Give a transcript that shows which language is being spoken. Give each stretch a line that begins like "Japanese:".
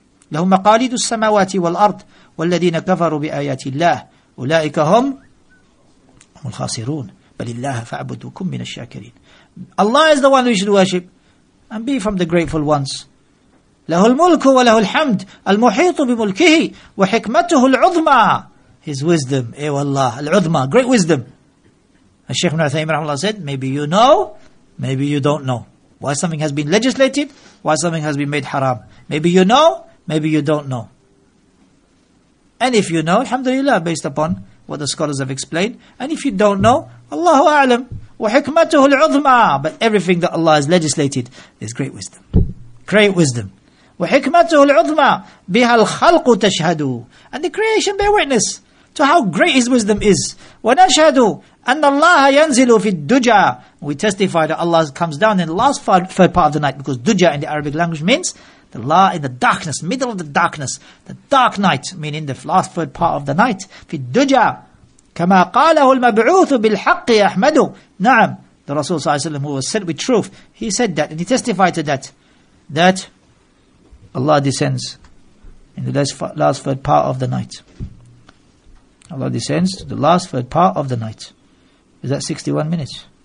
Arabic: Lahu maqalidu samawati wal ard, والذين كفروا بآيات الله أولئك هم الخاسرون بل الله فاعبدوكم من الشاكرين.
English: Allah is the one we should worship and be from the grateful ones.
Arabic: له الملك وله الحمد المحيط بملكه وحكمته العظمى.
English: His wisdom,
Arabic: إيه والله العظمى,
English: great wisdom. الشيخ ابن عثيمين رحمه الله said, maybe you know, maybe you don't know why something has been legislated, why something has been made haram. Maybe you know, maybe you don't know. And if you know, alhamdulillah, based upon what the scholars have explained. And if you don't know, Allahu a'lam.
Arabic: Wa hikmatuhu al-'uzma.
English: But everything that Allah has legislated is great wisdom. Great wisdom.
Arabic: Wa hikmatuhu al-'uzma biha al-khalqu tashhadu.
English: And the creation bear witness to how great His wisdom is.
Arabic: Wa nashhadu anna Allah yanzilu fi duja.
English: We testify that Allah comes down in the last third part of the night, because duja in the Arabic language means the la in the darkness, middle of the darkness, the dark night, meaning the last third part of the night.
Arabic: في الدجا كما قاله المبعوث بالحق أحمد.
English: نعم, the Rasul صلى الله عليه وسلم, who was sent with truth, he said that and he testified to that, that Allah descends in the last third part of the night. Allah descends to the last third part of the night. Is that 61 minutes?